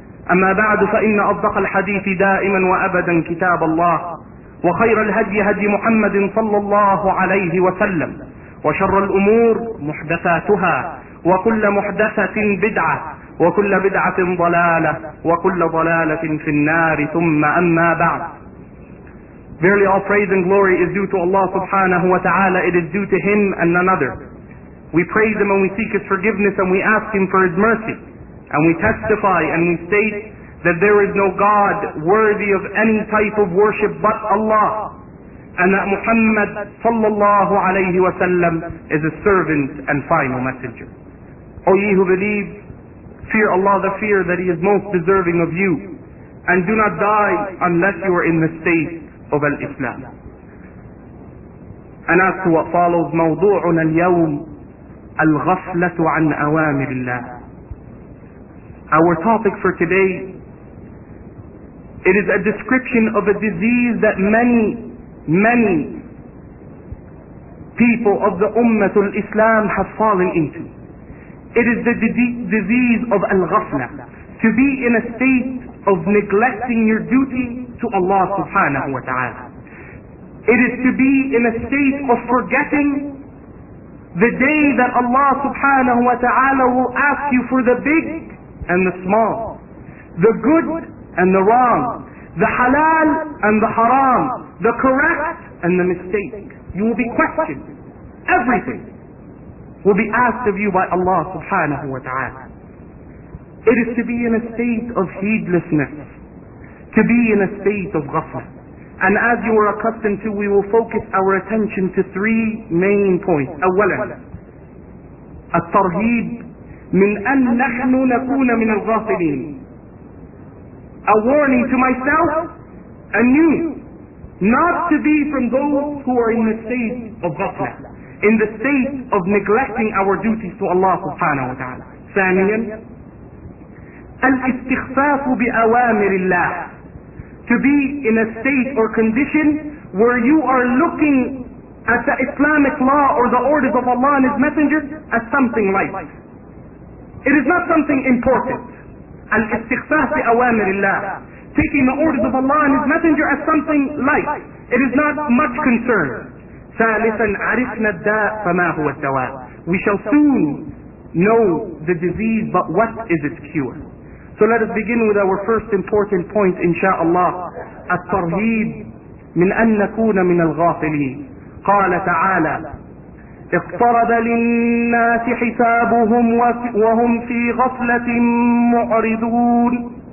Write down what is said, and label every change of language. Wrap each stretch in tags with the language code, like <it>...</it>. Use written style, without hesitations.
<ar>أما بعد، فإن أصدق الحديث دائما وأبدا كتاب الله، وخير الهدي هدي محمد صلى الله عليه وسلم، وشر الأمور محدثاتها، وكل محدثة بدعة، وكل بدعة ضلالة، وكل ضلالة في النار. ثم أما بعد،</ar> <en>Verily all praise and glory is due to Allah subhanahu wa ta'ala. It is due to Him and none other. We praise Him and we seek His forgiveness and we ask Him for His mercy. And we testify and we state that there is no God worthy of any type of worship but Allah. And that Muhammad sallallahu alayhi wa sallam is a servant and final messenger. O ye who believe, fear Allah the fear that He is most deserving of you, and do not die unless you are in the state of al-Islam. And as to what follows,</en> <ar>موضوعنا اليوم الغفلة عن أوامر الله.</ar> <en>Our topic for today, it is a description of a disease that many people of the Ummatul Islam have fallen into. It is the disease of al-ghafla, to be in a state of neglecting your duty to Allah subhanahu wa ta'ala. It is to be in a state of forgetting the day that Allah subhanahu wa ta'ala will ask you for the big and the small, the good and the wrong, the halal and the haram, the correct and the mistake. You will be questioned. Everything will be asked of you by Allah subhanahu wa ta'ala. It is to be in a state of heedlessness, to be in a state of ghafla. And as you are accustomed to, we will focus our attention to three main points.</en> <ar>أولاً, الترهيب من أن نحن نكون من الغافلين.</ar> <en>A warning to myself and you, not to be from those who are in the state of ghafla, in the state of neglecting our duties to Allah subhanahu wa ta'ala.</en> <ar>ثانياً, الاستخفاف بأوامر الله.</ar> <en>To be in a state or condition where you are looking at the Islamic law or the orders of Allah and His Messenger as something light. It is not something important.</en> <ar>الاستخفاف بأوامر الله.</ar> <en>Taking the orders of Allah and His Messenger as something light. It is not much concern.</en> <ar>ثالثاً, عرفنا الداء فما هو الدواء.</ar> <en>We shall soon know the disease, but what is its cure? So let us begin with our first important point, insha'Allah.</en> <ar>الترهيب من أن نكون من الغافلين. قال تعالى, اقترب للناس حسابهم وهم في غفلة معرضون.</ar>